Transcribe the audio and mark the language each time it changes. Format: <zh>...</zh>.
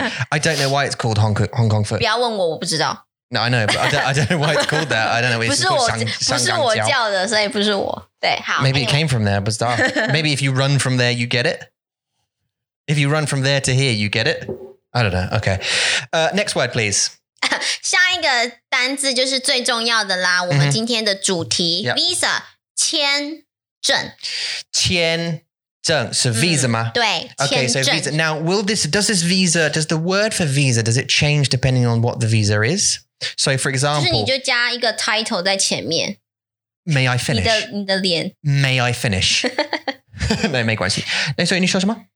<en>I don't know why it's called Hong Kong foot.</en> <zh>不要问我，我不知道。</zh> <en>No, I know, but I don't know why it's called that. I don't know.</en> <zh>不是我叫的，所以不是我。对，好。</zh> <en>Maybe it came from there, bizarre. Maybe if you run from there, you get it. If you run from there to here, you get it. I don't know. Okay. Next word, please.</en> <zh>下一个单字就是最重要的啦。我们今天的主题 Visa 签。签,证是 visa 吗？对，</zh> <en>签证。Okay, so visa. Now, will this, does this visa, does the word for visa, does it change depending on what the visa is? So, for example...</en> <zh>就是你就加一个 title 在前面。</zh> <en>May I finish?</en> <zh>你的脸。</zh> <en>May I finish?</en> <zh>没, 没关系。所以你说什么？</zh>